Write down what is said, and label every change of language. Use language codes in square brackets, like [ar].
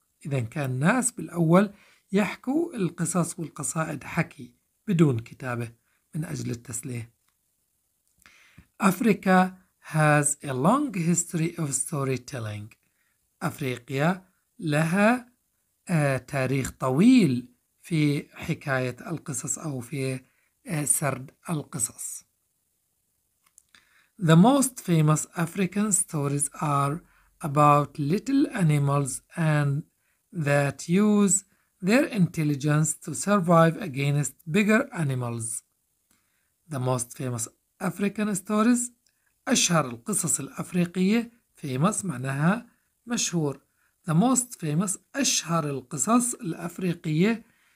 [ar] إذن كان الناس بالأول يحكوا القصص والقصائد حكي بدون كتابة من أجل التسلية. [en] أفريقيا has a long history of storytelling. [ar] أفريقيا لها تاريخ طويل في حكاية القصص أو في سرد القصص. [en] The most famous African stories are about little animals and that use their intelligence to survive against bigger animals. The most famous African stories، [ar] أشهر القصص الأفريقية، [en] famous [ar] معناها مشهور، [en] the most famous، أشهر القصص الأفريقية